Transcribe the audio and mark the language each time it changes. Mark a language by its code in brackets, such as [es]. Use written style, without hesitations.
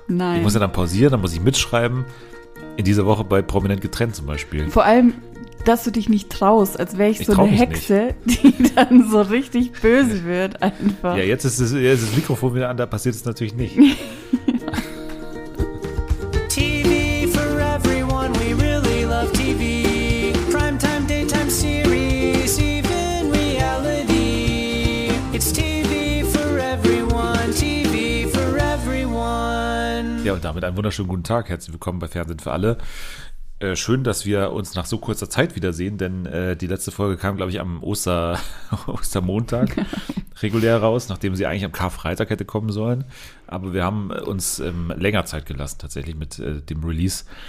[de] Nein. Ich muss ja dann pausieren, dann muss ich mitschreiben. In dieser Woche bei Prominent getrennt zum Beispiel. Vor allem, dass du dich nicht traust, als wäre ich so eine Hexe, nicht, die dann so richtig böse wird einfach. Ja, jetzt ist das Mikrofon wieder an, da passiert es natürlich nicht. [en] TV for everyone, we really love TV. Primetime, daytime series, even reality. It's TV for everyone, TV for everyone. [de] Ja, und damit einen wunderschönen guten Tag. Herzlich willkommen bei Fernsehen für alle. Schön, dass wir uns nach so kurzer Zeit wiedersehen, denn die letzte Folge kam, glaube ich, am Ostermontag regulär raus, nachdem sie eigentlich am Karfreitag hätte kommen sollen. Aber wir haben uns länger Zeit gelassen tatsächlich mit dem Release.